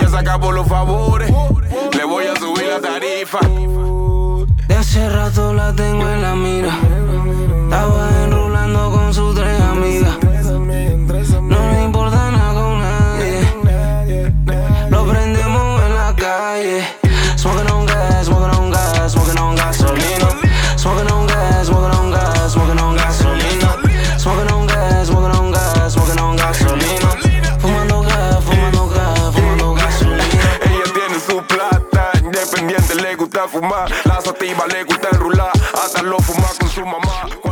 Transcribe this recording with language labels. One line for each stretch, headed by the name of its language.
Spanish: Ya se acabó los favores. Le voy a subir la tarifa. De hace rato la tengo en la mira. Estaba enrulando con sus tres amigas. No le importa nada con nadie. Lo prendemos en la calle.
English: Smoking on gas, smoking on gas, smoking on gasolina. Smoking on gas, smoking on gas, smoking on gasolina. Smoking on gas, smoking on gas, smoking on gasolina.
Spanish: Fumando gas, fumando gas, fumando gasolina. Ella tiene su plata, independiente, le gusta fumar. La sativa le gusta enrular, hasta lo fuma con su mamá.